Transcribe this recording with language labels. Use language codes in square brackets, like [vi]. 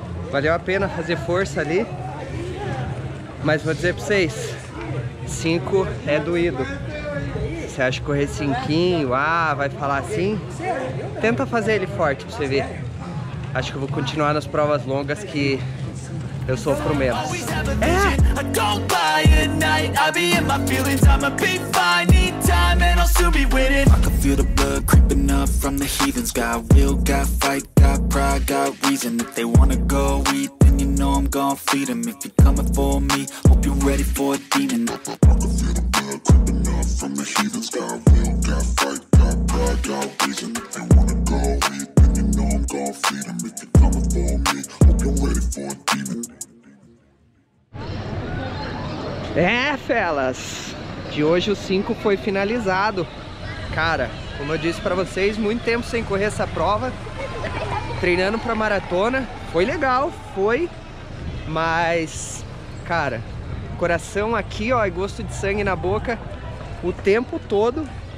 [pt] Valeu a pena fazer força ali. Mas vou dizer pra vocês: 5 é doído. Você acha que correr 5, ah, vai falar assim? Tenta fazer ele forte pra você ver. Acho que eu vou continuar nas provas longas que eu sofro menos. É! [en] I go by at night, I be in my feelings. I'ma be fine, need time and I'll soon be with it. I can feel the blood creeping up from the heathens. Got will, got fight, got pride, got reason. If they wanna go eat, then you know I'm gonna feed them. If you're coming for me, hope you're ready for a demon. I can feel the blood creeping up from the heathens. Got will, got fight, got pride, got reason. If they wanna go eat, then you know I'm gonna feed them. If you're coming for me, hope you're ready for a demon. [pt] É, felas, de hoje o 5 foi finalizado. Cara, como eu disse pra vocês, muito tempo sem correr essa prova, treinando pra maratona. Foi legal, foi. Mas, cara, coração aqui, ó, e gosto de sangue na boca o tempo todo.